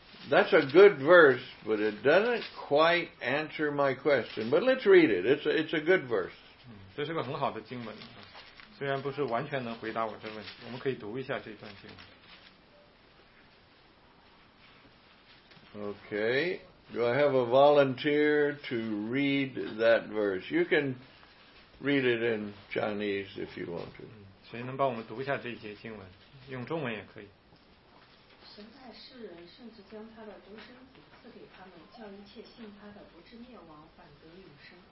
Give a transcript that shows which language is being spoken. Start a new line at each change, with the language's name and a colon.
English: That's a good verse, but it doesn't quite answer my question. But let's read it. It's a good verse.
Chinese: 这是个很好的经文，虽然不是完全能回答我这问题，我们可以读一下这段经文。
English: Okay. Do I have a volunteer to read that verse? You can read it in Chinese if you want to.
Chinese: 谁能帮我们读一下这节经文？用中文也可以。神爱世人，甚至将他的独生子赐给他们，叫一切信他的不至灭亡，反得永生。